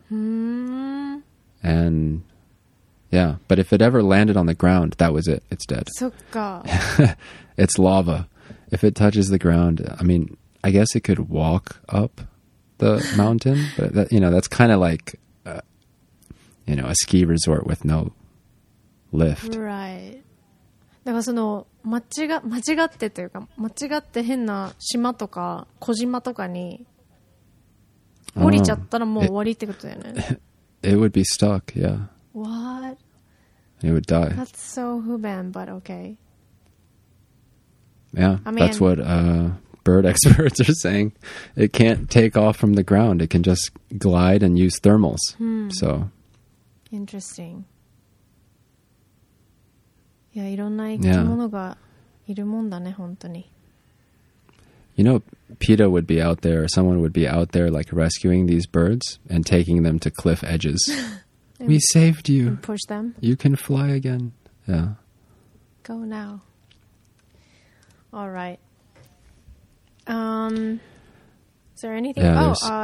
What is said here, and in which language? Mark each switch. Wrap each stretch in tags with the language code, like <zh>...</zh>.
<en>And yeah, but if it ever landed on the ground, that was it. It's dead.</en> <ja>そっか.</ja> <en>It's lava. If it touches the ground, I mean, I guess it could walk up the mountain, but that's kind of like a ski resort with no lift. Right.</en> <ja>だからその間違ってというか間違って変な島とか小島とかに降りちゃったらもう終わりってことだよね。</ja> <en>It would be stuck, yeah. What? It would die. That's so 不便, but okay. Yeah, that's what bird experts are saying. It can't take off from the ground. It can just glide and use thermals. So interesting.</en> <ja>いや、いろんな生き物がいるもんだね、本当に。</ja> <en>You know, PETA would be out there, someone would be out there like rescuing these birds and taking them to cliff edges. We saved you. And push them. You can fly again. Yeah. Go now. All right. Is there anything?</en>